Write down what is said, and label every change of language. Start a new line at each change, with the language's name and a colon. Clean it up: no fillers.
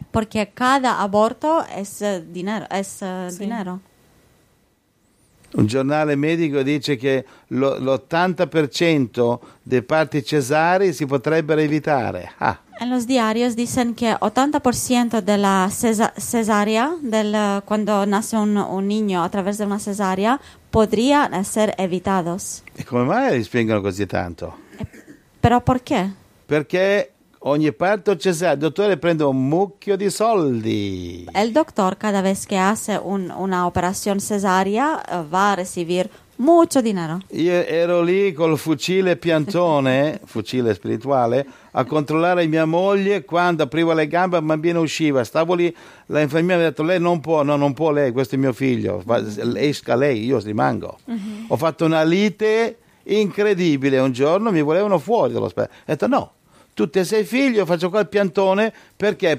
Italian: Perché
Spanish: cada
Italian: aborto è denaro. Un giornale medico dice che l'80% dei parti cesarei si potrebbero evitare. Ah.
Spanish: En los diarios dicen que 80% de la cesárea, cuando nace un niño a través de una cesárea, podría ser evitados.
Italian: E come mai li spiegano così tanto? Però perché? Perché ogni parto cesareo, il dottore prende un mucchio di soldi.
Spanish: El doctor, cada vez que hace una operación cesárea, va a recibir mucho dinero.
Italian: Io ero lì col fucile piantone, fucile spirituale, a controllare mia moglie quando apriva le gambe il bambino usciva. Stavo lì, la infermiera mi ha detto, lei non può, no, non può lei, questo è mio figlio, esca lei, io rimango. Ho fatto una lite incredibile, un giorno mi volevano fuori dall'ospedale, ho detto no, tu te sei figlio, faccio qua il piantone, perché?